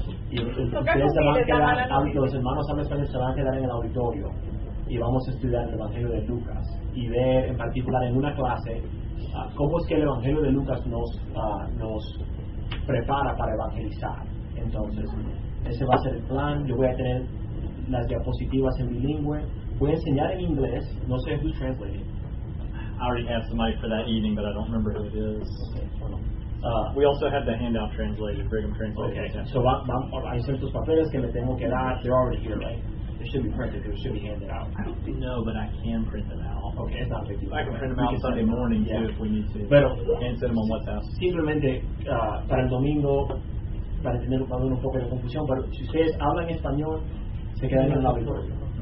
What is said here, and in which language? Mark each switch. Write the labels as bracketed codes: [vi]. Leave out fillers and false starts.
[es] Y se van a quedar, los hermanos se van a quedar en el auditorio y vamos a estudiar el Evangelio de Lucas y ver en particular en una clase cómo es que el Evangelio de Lucas nos prepara para evangelizar. Entonces ese va a ser el plan. Yo voy a tener las diapositivas en bilingüe, voy a enseñar en inglés, no sé [en] who's translating. I already have somebody for that evening but I don't remember who it is. Okay. We also have the handout translated. Brigham translated. Okay, so I sent those papers [es] que me tengo que dar. [en] They're already here, right? They should be printed. They should be handed out. I don't know, but I can print them out. Okay, it's not a big deal. I can print them out Sunday morning, yeah, too, if we need to. [es] Pero, [en] and send them on WhatsApp. [es] Simplemente para el domingo, para tener un poco de confusión, pero si ustedes hablan español, se quedan en la auditorio.